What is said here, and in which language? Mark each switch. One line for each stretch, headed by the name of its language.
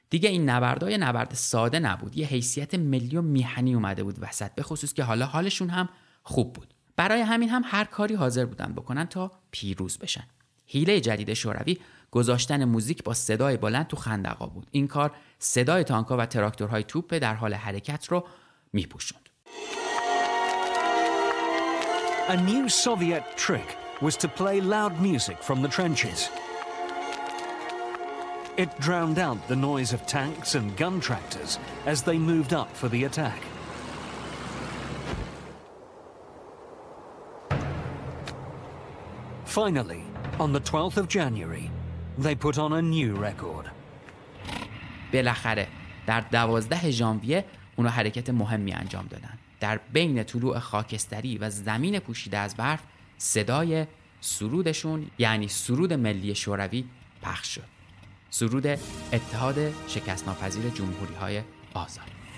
Persian: دیگه این نبردای نبرد ساده نبود. یه حیثیت ملی و میهنی اومده بود وسط، به خصوص که حالا حالشون هم خوب بود. برای همین هم هر کاری حاضر بودن بکنن تا پیروز بشن. حیله جدید شوروی گذاشتن موزیک با صدای بلند تو خندقا بود. این کار صدای تانک‌ها و تراکتورهای توپ در حال حرکت رو میپوشوند.
English: A new Soviet trick was to play loud music from the trenches. It drowned out the noise of tanks and gun tractors as they moved up for the attack. Finally, on the 12th of January, they put on a new record.
Persian: بالاخره در 12 ژانویه اونا حرکت مهمی انجام دادن. در بین طلوع خاکستری و زمین پوشیده از برف صدای سرودشون، یعنی سرود ملی شوروی، پخش شد. سرود اتحاد شکست‌ناپذیر جمهوری‌های آزاد.